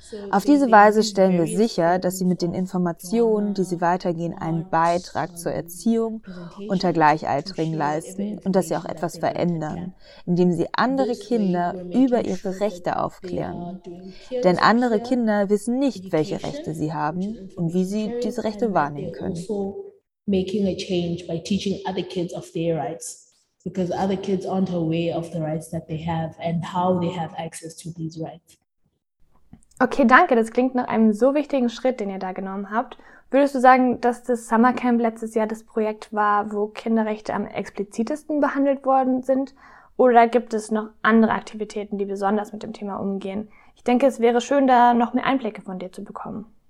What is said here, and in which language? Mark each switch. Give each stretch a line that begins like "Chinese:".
German: Auf diese Weise stellen wir sicher, dass sie mit den Informationen, die sie weitergehen, einen Beitrag zur Erziehung unter Gleichaltrigen leisten und dass sie auch etwas verändern, indem sie andere Kinder über ihre Rechte aufklären. Denn andere Kinder wissen nicht, welche Rechte sie haben und wie sie diese Rechte wahrnehmen können.
English: Making a change by teaching other kids of their rights, because other kids aren't aware of the rights that they have and how they have access to these rights.
German: Okay, danke. Das klingt nach einem so wichtigen Schritt, den ihr da genommen habt. Würdest du sagen, dass das Summer Camp letztes Jahr das Projekt war, wo Kinderrechte am explizitesten behandelt worden sind? Oder gibt es noch andere Aktivitäten, die besonders mit dem Thema umgehen? Ich denke, es wäre schön, da noch mehr Einblicke von dir zu bekommen.